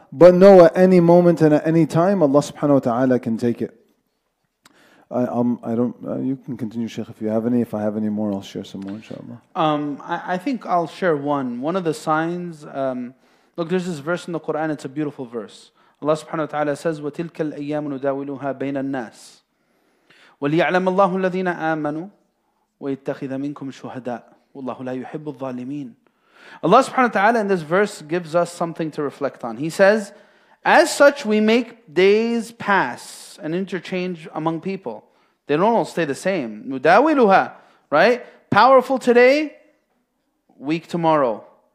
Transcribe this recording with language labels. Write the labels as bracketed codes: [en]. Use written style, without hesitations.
[en] But know at any moment and at any time, Allah subhanahu wa ta'ala can take it. You can continue, Sheikh, if you have any. If I have any more, I'll share some more, inshallah. I think I'll share one. One of the signs, look, there's this verse in the Quran, it's a beautiful verse. Allah subhanahu wa ta'ala says, [ar] وَتِلْكَ الْأَيَّامُ نُدَاوِلُهَا بَيْنَ النَّاسِ وَلِيَعْلَمَ اللَّهُ الَّذِينَ آمَنُوا وَيَتَّخِذَ مِنْكُمْ شُهَدَاءَ وَاللَّهُ لَا يُحِبُّ الظَّالِمِينَ. [en] Allah subhanahu wa ta'ala in this verse gives us something to reflect on. He says, as such, we make days pass and interchange among people. They don't all stay the same. Mudawiluha, right? Powerful today, weak tomorrow.